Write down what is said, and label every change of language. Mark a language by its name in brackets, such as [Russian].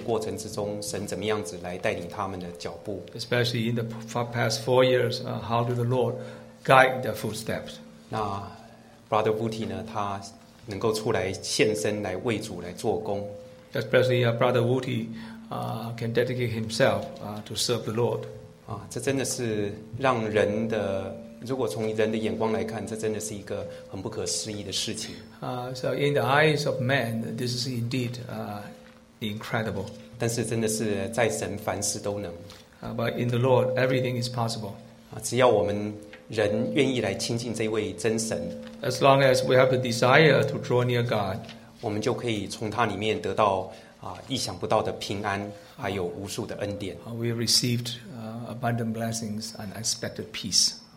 [Chinese] 四年来他们在信主的过程之中，神怎么样子来带领他们的脚步？ [English] Especially in the past 4 years, how did the Lord guide their footsteps? [Chinese] 那 Brother Woody 呢，他能够出来献身来为主来做工。 [English] Especially Brother Woody can dedicate himself to serve the Lord. [Chinese] 这真的是让人的。如果从人的眼光来看，这真的是一个很不可思议的事情。 [English] So in the eyes of man, this is indeed incredible. [Chinese] 但是真的是在神凡事都能。 [English] But in the Lord, everything is possible. [Chinese] 只要我们人愿意来亲近这位真神。 [English] As long as we have the desire to draw near God, [Chinese] 我们就可以从他里面得到 意想不到的平安，还有无数的恩典。 [English] We have received abundant blessings and unexpected peace.